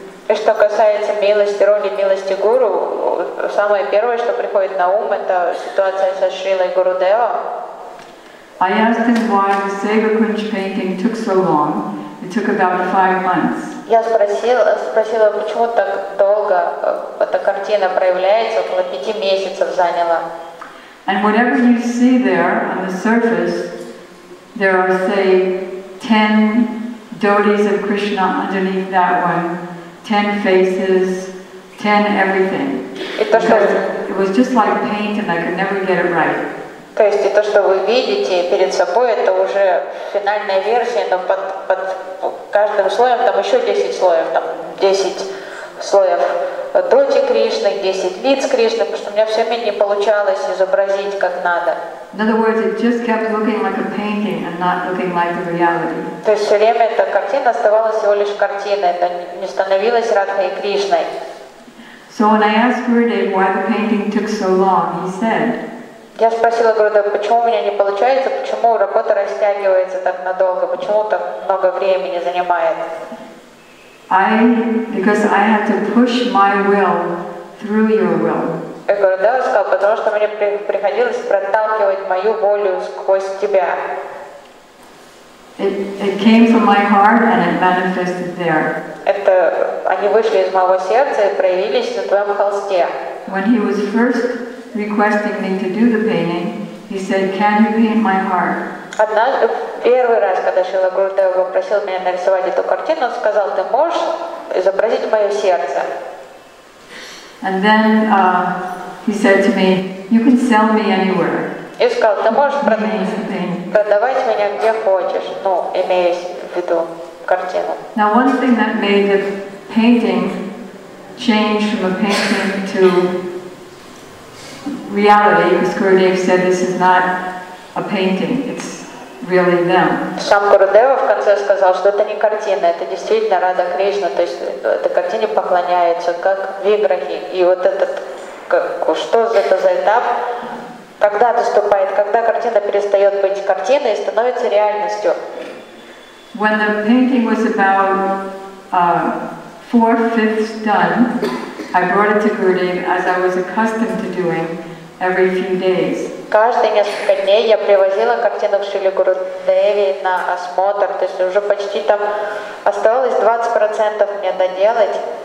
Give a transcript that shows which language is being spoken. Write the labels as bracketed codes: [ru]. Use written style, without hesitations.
[ru] И что касается милости, роли милости Гуру, самое первое, что приходит на ум, это ситуация со Шрилой Гурудева. [en] I asked him why the Sega Kunch painting took so long. It took about 5 months. [ru] Я спросила, почему так долго эта картина проявляется, около 5 месяцев заняла. [en] And whatever you see there on the surface, there are, say, 10 dotis of Krishna underneath that one, 10 faces, 10 everything. It was just like paint and I could never get it right. [ru] То есть и то, что вы видите перед собой, это уже финальная версия, но под каждым слоем там еще 10 слоев, там 10 слоев доти Кришны, 10 лиц Кришны, потому что у меня все время не получалось изобразить как надо. [en] In other words, it just kept looking like a painting and not looking like the reality. [ru] То есть все время эта картина оставалась всего лишь картиной, это не становилось Радхой и Кришной. [en] So when I asked Gurudev why the painting took so long, he said. [ru] Я спросила Гурудева, почему у меня не получается, почему работа растягивается так надолго, почему так много времени занимает. [en] Because I had to push my will through your will. [ru] И Гурудева сказал, потому что мне приходилось проталкивать мою волю сквозь тебя. [en] It came from my heart and it manifested there. [ru] Это они вышли из моего сердца и проявились на твоем холсте. [en] When he was first requesting me to do the painting, he said, "Can you paint my heart?" [ru] Однажды первый раз, когда Шрила Гурудева попросил меня нарисовать эту картину, он сказал, "Ты можешь изобразить мое сердце?" [en] And then he said to me, "You can sell me anywhere." [ru] И сказал, "Ты можешь продавать меня где хочешь, ну, имея в виду картину." [en] Now, one thing that made the painting change from a painting to reality, because Gurudev said this is not a painting, it's really them. [ru] Сам Гурудева в конце сказал, что это не картина, это действительно Радха Кришна, то есть эта картина поклоняется как виграхи. И вот этот, что это за этап, когда наступает, когда картина перестает быть картиной и становится реальностью. [en] When the painting was about 4/5 done, I brought it to Gurudev as I was accustomed to doing. Every few days. [ru] Каждые несколько дней я привозила картину к Шриле Гурудеве на осмотр, то есть уже почти там оставалось 20% мне доделать.